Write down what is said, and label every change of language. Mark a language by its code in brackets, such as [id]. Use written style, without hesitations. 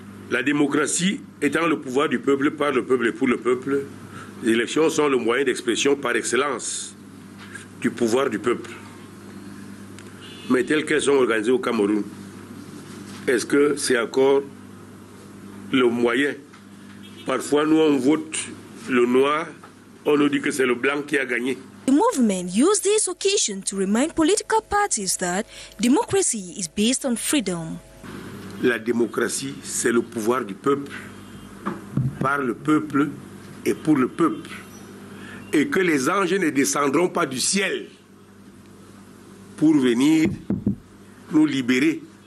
[fr] La démocratie étant le pouvoir du peuple par le peuple et pour le peuple, les élections sont le moyen d'expression par excellence du pouvoir du peuple. Mais telles qu'elles sont organisées au Cameroun, est-ce que c'est encore le moyen Parfois, nous, on vote le noir, on nous dit que c'est le blanc qui a gagné. [en] The movement used this occasion to remind political parties that democracy is based on freedom. [fr] La démocratie, c'est le pouvoir du peuple, par le peuple et pour le peuple. Et que les anges ne descendront pas du ciel pour venir nous libérer.